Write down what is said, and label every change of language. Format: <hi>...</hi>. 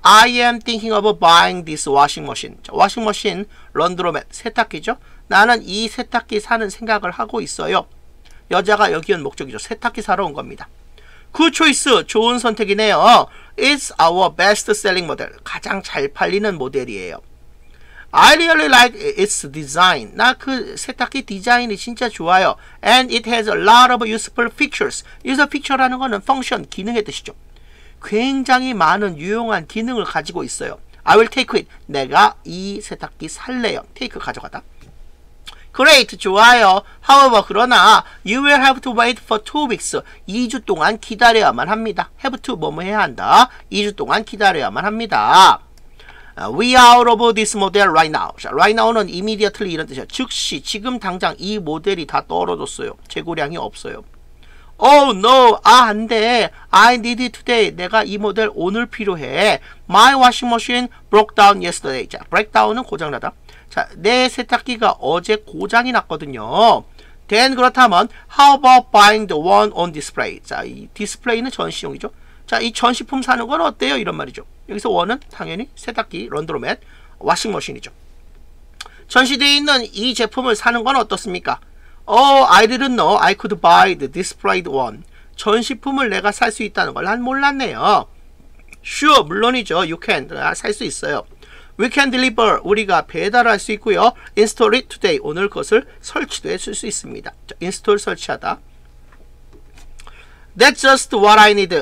<en>I am thinking of buying this washing machine.</en> <ko>자,</ko> <en>washing machine,</en> <ko>런드로맷, 세탁기죠. 나는 이 세탁기 사는 생각을 하고 있어요. 여자가 여기온 목적이죠. 세탁기 사러 온 겁니다.</ko> <en>Good choice,</en> <ko>좋은 선택이네요.</ko> <en>It's our best selling model.</en> <ko>가장 잘 팔리는 모델이에요.</ko> <en>I really like its design.</en> <ko>나 그 세탁기 디자인이 진짜 좋아요.</ko> <en>And it has a lot of useful features. Use a feature</en> <ko>라는 거는 function, 기능의 뜻이죠. 굉장히 많은 유용한 기능을 가지고 있어요.</ko> <en>I will take it.</en> <ko>내가 이 세탁기 살래요.</ko> <en>Take 가져가다. Great.</en> <ko>좋아요.</ko> <en>However,</en> <ko>그러나</ko> <en>you will have to wait for 2 weeks.</en> <ko>2주 동안 기다려야만 합니다.</ko> <en>Have to</en> <ko>뭐뭐 해야 한다. 2주 동안 기다려야만 합니다.</ko> <en>We are out of this model right now. Right now</en> <ko>는 immediately 이런 뜻이에요. 즉시 지금 당장 이 모델이 다 떨어졌어요. 재고량이 없어요.</ko> <en>Oh no,</en> <ko>아 안 돼.</ko> <en>I need it today.</en> <ko>내가 이 모델 오늘 필요해.</ko> <en>My washing machine broke down yesterday. 자, break down은</en> <ko>고장나다. 자, 내 세탁기가 어제 고장이 났거든요.</ko> <en>Then</en> <ko>그렇다면,</ko> <en>how about buying the one on display?</en> <ko>자, 이 display는 전시용이죠. 자, 이 전시품 사는 건 어때요? 이런 말이죠. 여기서 one은 당연히 세탁기, 런드로맷,</ko> <en>washing machine</en> <ko>이죠. 전시되어 있는 이 제품을 사는 건 어떻습니까?</ko> <en>Oh, I didn't know I could buy the displayed one.</en> <ko>전시품을 내가 살 수 있다는 걸 난 몰랐네요.</ko> <en>Sure,</en> <ko>물론이죠.</ko> <en>You can.</en> <ko>살 수 있어요.</ko> <en>We can deliver.</en> <ko>우리가 배달할 수 있고요.</ko> <en>Install it today.</en> <ko>오늘 그것을 설치도 해줄 수 있습니다.</ko> <en>Install</en> <ko>설치하다.</ko> <en>That's just what I need.</en>